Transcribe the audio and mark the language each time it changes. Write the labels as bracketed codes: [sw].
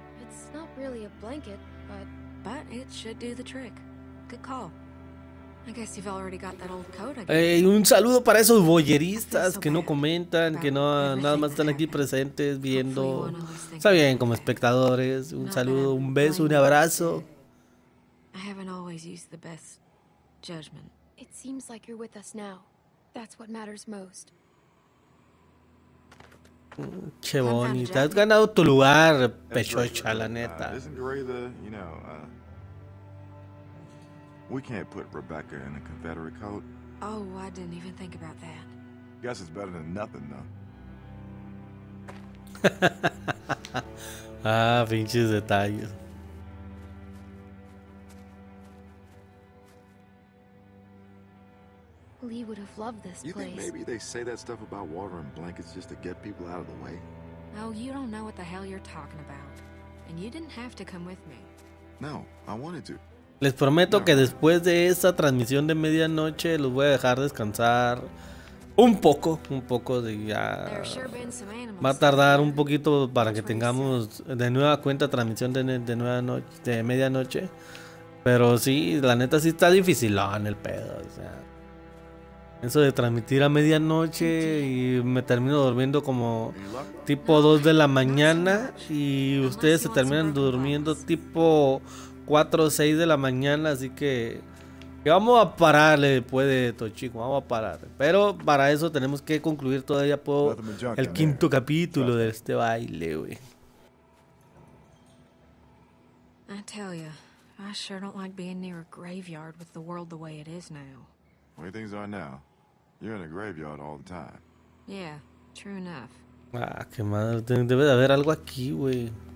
[en] It's not really a blanket, but it should do the trick. Good call. I guess you've already got that old coat. [es] Hey, un saludo para esos boyeristas que no comentan, que no nada más están aquí presentes viendo. Está bien, como espectadores, un saludo, un beso, un abrazo. [en] I haven't always used the best judgment. It seems like you're with us now. That's what matters most. [es] Che bonita, has ganado tu lugar, pechocha, la neta. [en] Isn't Gray the, you know, we can't put Rebecca in a Confederate coat. Oh, I didn't even think about that. Guess it's better than nothing, though. [es] Ah, pinches detalles. [en] Lee would have loved this place. You think maybe they say that stuff about water and blankets just to get people out of the way? No, you don't know what the hell you're talking about. And you didn't have to come with me. No, I wanted to. [es] Les prometo que después de esta transmisión de medianoche los voy a dejar descansar un poco de ya. Va a tardar un poquito para que tengamos de nueva cuenta transmisión de medianoche. Pero sí, la neta sí está difícil en el pedo, o sea. Eso de transmitir a medianoche y me termino durmiendo como tipo 2 de la mañana y ustedes se terminan durmiendo tipo 4 o 6 de la mañana, así que vamos a pararle después de esto, chico, vamos a parar. Pero para eso tenemos que concluir todavía por el quinto capítulo de este baile, güey. [en] I tell you, I sure don't like being near a graveyard with the world the way it is now. The way things are now, you're in a graveyard all the time. Yeah, true enough. [es] Ah, qué madre, debe de haber algo aquí, güey.